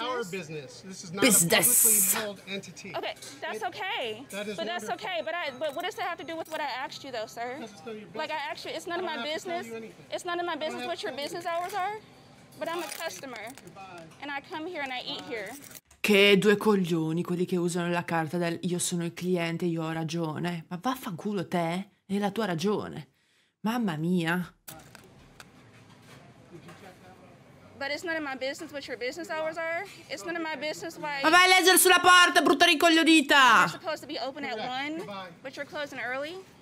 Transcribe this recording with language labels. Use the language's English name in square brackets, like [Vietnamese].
[English] It is our business. This is not business. A publicly held entity. Okay, that's okay. That is but That's okay. But what does that have to do with what I asked you, though, sir? Like, I actually, it's none of my business. It's none of my business what your business hours are. But I'm a customer. And I come here and I eat here. [Italian] Che due coglioni quelli che usano la carta del io sono il cliente, io ho ragione. Ma vaffanculo te e la tua ragione. Mamma mia. [English] But it's none of my business what your business hours are. It's none of my business why. [Italian] Ma vai a leggere sulla porta, brutta rincoglionita. [English] You're supposed to be open at 1, but you're closing early.